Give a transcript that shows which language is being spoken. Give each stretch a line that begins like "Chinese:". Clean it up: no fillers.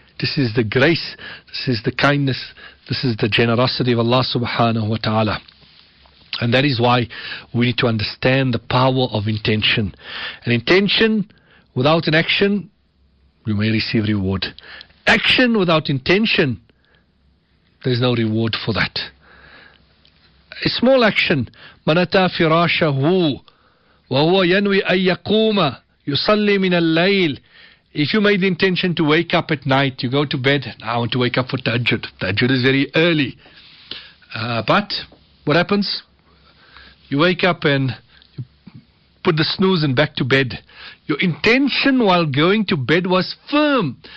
English: This is the grace, this is the kindness, this is the generosity of Allah subhanahu wa ta'ala. And that is why we need to understand the power of intention. An intention without an action, you may receive reward. Action without intention, there's no reward for that. A small action.
Arabic: من أتى فراشه وهو ينوي أن يقوم يصلي من الليل.
English: If you made the intention to wake up at night, you go to bed, I want to wake up for tahajjud. Tahajjud is very early. But what happens? You wake up and you put the snooze and back to bed. Your intention while going to bed was firm.